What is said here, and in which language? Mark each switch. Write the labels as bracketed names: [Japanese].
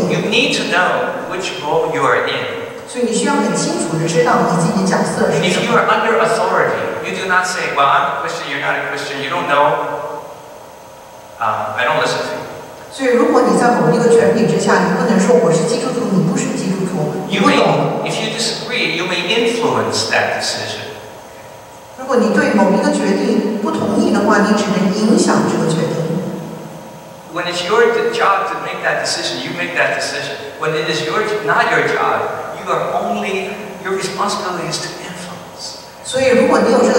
[English] You need to know which role you are in. [Chinese] 所以你需要很清楚的知道你自己角色是什么。 [English] If you are under authority, you do not say, "Well, I'm a Christian. You're not a Christian. You don't know. I don't listen to you." [Chinese] 所以如果你在某一个权柄之下，你不能说我是基督徒，你不是基督徒。 [English] If you disagree, you may influence that decision. [Chinese] 如果你对某一个决定不同意的话，你只能影响这个决定。 [English] When it's your job to make that decision, you make that decision. When it is not your job, your responsibility is to influence.